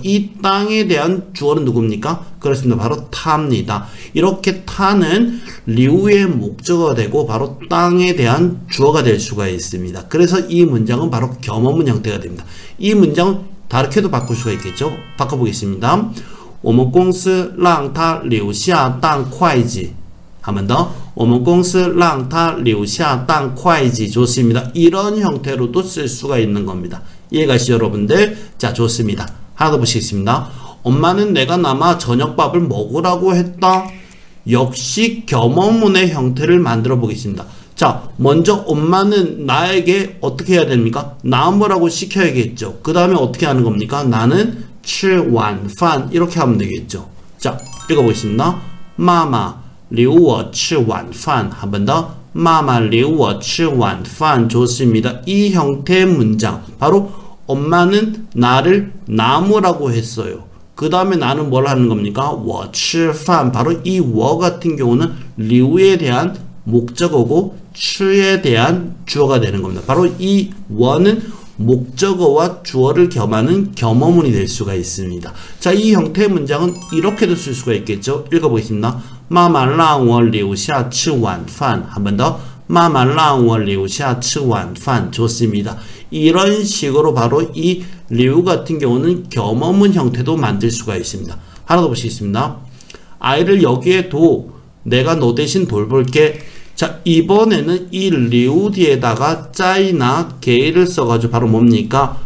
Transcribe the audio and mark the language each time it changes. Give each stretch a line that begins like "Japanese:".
Korean: 이 땅에 대한 주어는 누굽니까? 그렇습니다. 바로 타입니다. 이렇게 타는 리우의 목적어가 되고 바로 땅에 대한 주어가 될 수가 있습니다. 그래서 이 문장은 바로 겸어문 형태가 됩니다. 이 문장은 다르게도 바꿀 수가 있겠죠? 바꿔보겠습니다.
Chinese: 我们公司让他留下当会计.
Korean: 한 번 더.
Chinese: 我们公司让他留下当会计.
Korean: 좋습니다. 이런 형태로도 쓸 수가 있는 겁니다. 이해가시죠 여러분들? 자, 좋습니다. 하나 더 보시겠습니다. 엄마는 내가 남아 저녁밥을 먹으라고 했다. 역시 겸어문의 형태를 만들어 보겠습니다. 자, 먼저 엄마는 나에게 어떻게 해야 됩니까? 남으라고 시켜야겠죠. 그 다음에 어떻게 하는 겁니까? 나는
Chinese: 吃晚饭
Korean: 이렇게 하면 되겠죠. 자, 읽어보겠습니다. 마마
Chinese: 留我吃晚饭
Korean: 한번 더
Chinese: 妈妈留我吃晚饭
Korean: 좋습니다. 이 형태의 문장 바로 엄마는 나를 나무라고 했어요. 그 다음에 나는 뭘 하는 겁니까?
Chinese: 我吃饭
Korean: 바로 이 我 같은 경우는 留에 대한 목적어고 吃에 대한 주어가 되는 겁니다. 바로 이 我는 목적어와 주어를 겸하는 겸어문이 될 수가 있습니다. 자, 이 형태의 문장은 이렇게도 쓸 수가 있겠죠. 읽어보겠습니다.
Chinese: 妈妈让我留下吃晚饭
Korean: 한번 더
Chinese: 妈妈让我留下吃晚饭
Korean: 좋습니다. 이런 식으로 바로 이 리우 같은 경우는 겸어문 형태도 만들 수가 있습니다. 하나 더 보시겠습니다. 아이를 여기에 둬. 내가 너 대신 돌볼게. 자, 이번에는 이 리우 뒤에다가 짜이나 게이를 써가지고 바로 뭡니까?